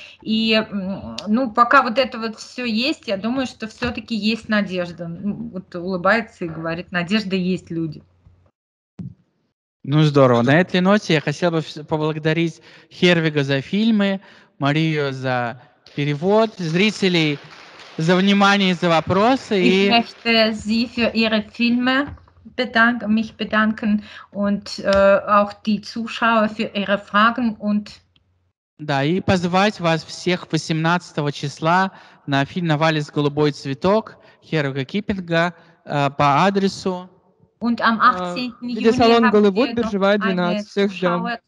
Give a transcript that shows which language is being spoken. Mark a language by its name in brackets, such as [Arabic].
[Russian] И, ну, пока вот это вот все есть, я думаю, что все-таки есть надежда. Вот улыбается и говорит, надежда есть, люди. Ну, здорово. На этой ноте я хотел бы поблагодарить Хервига за фильмы, Марию за перевод, зрителей за внимание и за вопросы. [German] Ich möchte Sie für Ihre Filme mich bedanken und auch die Zuschauer für ihre Fragen und [Russian] да, и позвать вас всех 18 числа на фильм «Навалис голубой цветок» Херуга Киппинга по адресу [German] und am 18. Juli Salon [Russian] Голливуд, биржевая 12, всех ждем.